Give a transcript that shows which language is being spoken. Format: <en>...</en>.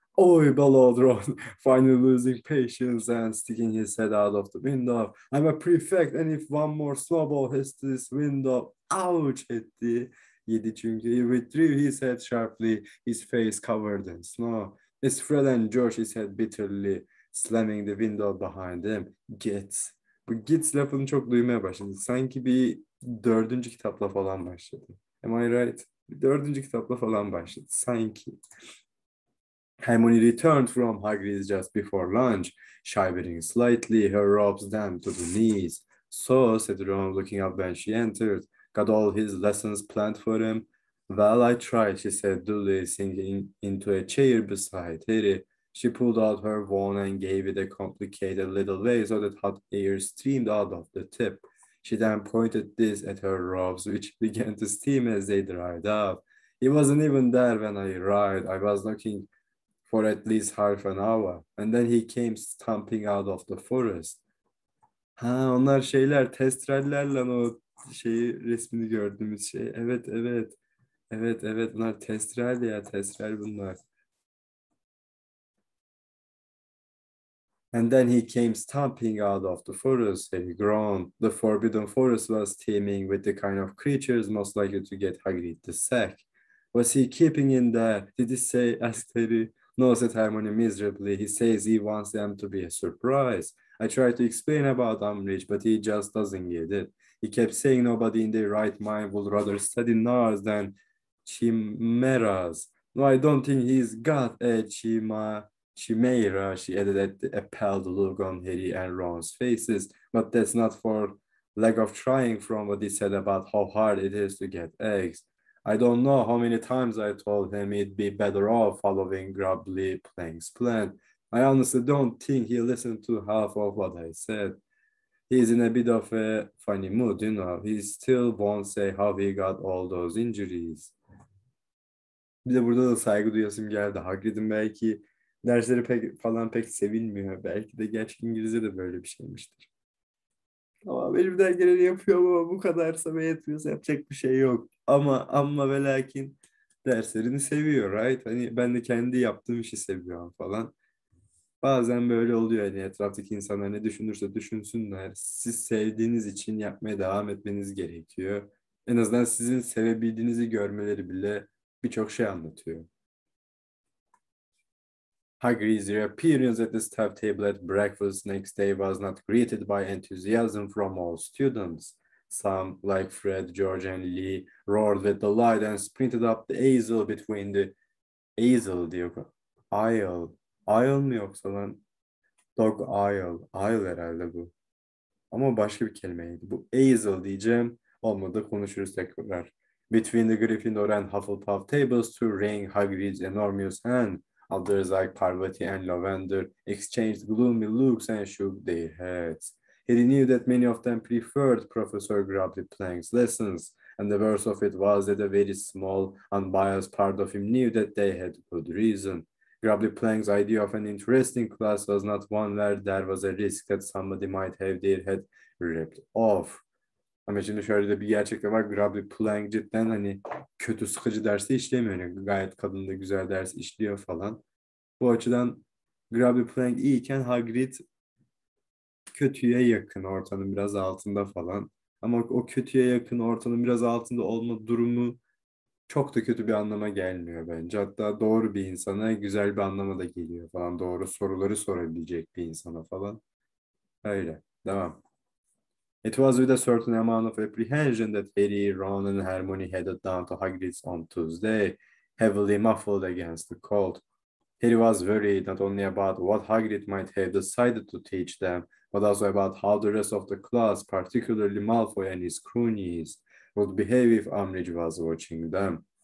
<en>Oy, bellowed Ron, finally losing patience and sticking his head out of the window. I'm a prefect, and if one more snowball hits this window, ouch, etti.</en> <tr>Yedi çünkü,</tr> <en>he withdrew his head sharply, his face covered in snow. It's Fred and George, he said bitterly, slamming the window behind him. Gits.</en> <tr>Bu Gits lafını çok duymaya başladı. Sanki bir dördüncü kitapla falan başladı.</tr> <en>Am I right?</en> <tr>Dördüncü kitapla falan başladı. Sanki.</tr> <en>Hermione returned from Hagrid's just before lunch, shivering slightly, her robes damp to the knees. So, said Ron, looking up when she entered, got all his lessons planned for him. Well, I tried, she said, duly sinking into a chair beside Harry. She pulled out her wand and gave it a complicated little wave so that hot air streamed out of the tip. She then pointed this at her robes, which began to steam as they dried up. It wasn't even there when I arrived. I was looking for at least half an hour. And then he came stomping out of the forest.</en> <tr>Ha, onlar şeyler, testraller lan o şeyi, resmini gördüğümüz şey. Evet, evet. Evet, evet. Bunlar testral ya, testral bunlar.</tr> <en>And then he came stomping out of the forest, and he groaned. The forbidden forest was teeming with the kind of creatures most likely to get Hagrid the sack. Was he keeping in there? Did he say, asked Harry? No, said Hermione miserably. He says he wants them to be a surprise. I tried to explain about Umbridge, but he just doesn't get it. He kept saying nobody in their right mind would rather study Nars than chimeras. No, I don't think he's got a chimera, she added at the appalled look on Harry and Ron's faces. But that's not for lack of trying from what he said about how hard it is to get eggs. I don't know how many times I told him he'd be better off following Grubbly Plank's plan. I honestly don't think he listened to half of what I said. He's in a bit of a funny mood, you know. He still won't say how he got all those injuries.</en> <tr>Bir de burada da saygı duyasım geldi. Hagrid'in belki dersleri pek, falan pek sevilmiyor. Belki de gerçek İngilizce de böyle bir şeymiştir. Ama benim dergileri yapıyor ama bu kadarsa ve yetmiyorsa yapacak bir şey yok. Ama ve lakin derslerini seviyor, right? Hani ben de kendi yaptığım işi seviyorum falan. Bazen böyle oluyor, hani etraftaki insanlar ne düşünürse düşünsünler. Siz sevdiğiniz için yapmaya devam etmeniz gerekiyor. En azından sizin sevebildiğinizi görmeleri bile birçok şey anlatıyor.</tr> <en>Hagrid's reappearance at the staff table at breakfast next day was not greeted by enthusiasm from all students. Some, like Fred, George, and Lee, roared with delight and sprinted up the aisle between the aisle, diyor.</en> <tr>Aisle. Aisle mı yoksa lan? Dog aisle. Aisle herhalde bu. Ama başka bir kelimeydi. Bu aisle diyeceğim. Olmadı. Konuşuruz tekrar.</tr> <en>Between the Gryffindor and Hufflepuff tables to wring Hagrid's enormous hand. Others like Parvati and Lavender exchanged gloomy looks and shook their heads. Harry knew that many of them preferred Professor Grubbly Plank's lessons, and the worst of it was that a very small, unbiased part of him knew that they had good reason. Grubbly Plank's idea of an interesting class was not one where there was a risk that somebody might have their head ripped off.</en> <tr>Ama şimdi şöyle de bir gerçek de var. Grubbly Plank cidden hani kötü sıkıcı dersi işlemiyor. Yani gayet kadın da güzel ders işliyor falan. Bu açıdan Grubbly Plank iyiyken Hagrid kötüye yakın, ortanın biraz altında falan. Ama o kötüye yakın, ortanın biraz altında olma durumu Çok da kötü bir anlama gelmiyor bence. Hatta doğru bir insana güzel bir anlama da geliyor falan. Doğru soruları sorabilecek bir insana falan. Öyle. Devam.</tr> <en>It was with a certain amount of apprehension that Harry, Ron and Hermione headed down to Hagrid's on Tuesday, heavily muffled against the cold. Harry was worried not only about what Hagrid might have decided to teach them, but also about how the rest of the class, particularly Malfoy and his cronies, would behave if Umbridge was watching them.</en>